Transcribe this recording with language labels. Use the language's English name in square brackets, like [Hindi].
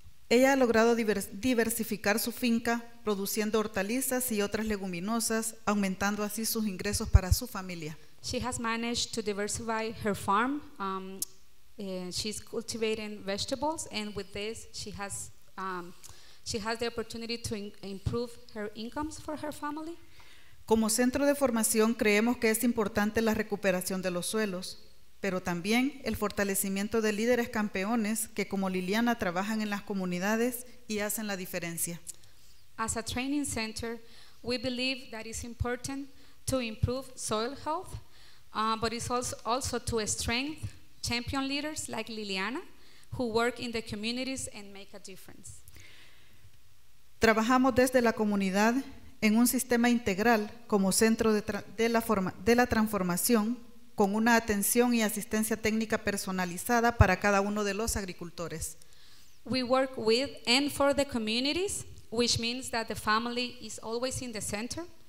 [Spanish] Ella ha logrado diversificar su finca, produciendo hortalizas y otras leguminosas, aumentando así sus ingresos para su familia. [English] She has managed to diversify her farm. She's cultivating vegetables, and with this, she has the opportunity to improve her incomes for her family. [Spanish] Como centro de formación, creemos que es importante la recuperación de los suelos, pero también el fortalecimiento de líderes campeones que como Liliana trabajan en las comunidades y hacen la diferencia. [English] As a training center, we believe that it's important to improve soil health, but it's also to strengthen champion leaders like Liliana who work in the communities and make a difference. [Spanish] Trabajamos desde la comunidad en un sistema integral como centro de la transformación, con una atención y asistencia técnica personalizada para cada uno de los agricultores. [English] We work with and for the communities, which means that the family is always in the center.